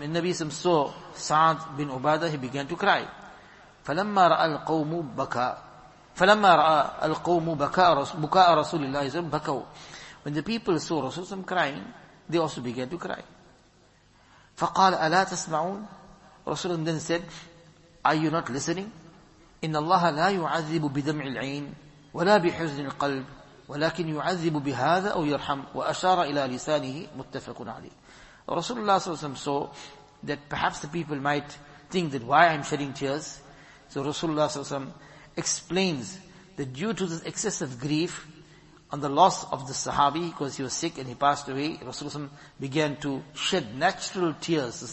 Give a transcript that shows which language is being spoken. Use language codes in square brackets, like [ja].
[en] The Nabi saw Sa'ad bin Ubadah, he began to cry. [ar] فَلَمَّا رَأَى الْقَوْمُ بَكَى, فلما رأى القوم بكاء رسول الله صلى الله عليه وسلم بكوا. [en] When the people saw Rasulullah صلى الله عليه وسلم crying, they also began to cry. [ar] فقال ألا تسمعون؟ [en] رسول الله then said, are you not listening? [ar] إن الله لا يعذب بدمع العين ولا بحزن القلب ولكن يعذب بهذا أو يرحم وأشار إلى لسانه متفق عليه. [en] Rasulullah صلى الله عليه وسلم saw that perhaps the people might think that why I'm shedding tears. So Rasulullah صلى الله عليه وسلم explains that due to this excessive grief on the loss of the Sahabi, because he was sick and he passed away, Rasulullah began to shed natural tears.